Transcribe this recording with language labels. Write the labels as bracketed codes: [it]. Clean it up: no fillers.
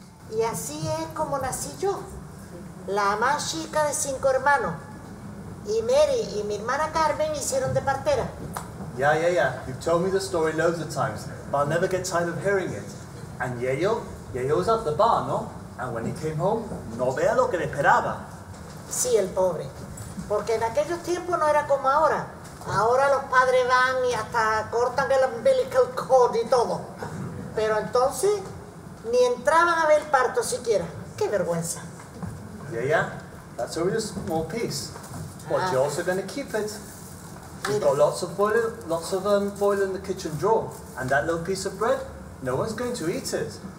[es] Y así es como nací yo, la más chica de cinco hermanos. Y Mary y mi hermana Carmen hicieron de partera. [en] Yeah. You've told me the story loads of times, but I'll never get tired of hearing it. And Yeyo was at the bar, ¿no? And when he came home, [es] no vea lo que le esperaba. Sí, el pobre. Porque en aquellos tiempos no era como ahora. Ahora los padres van y hasta cortan el [en] umbilical cord [es] y todo. Pero entonces, ni entraban a ver el parto siquiera. ¡Qué vergüenza! [en] Yeah, that's only a small piece. But you're also going to keep it. She's got lots of foil in the kitchen drawer. And that little piece of bread, no one's going to eat it.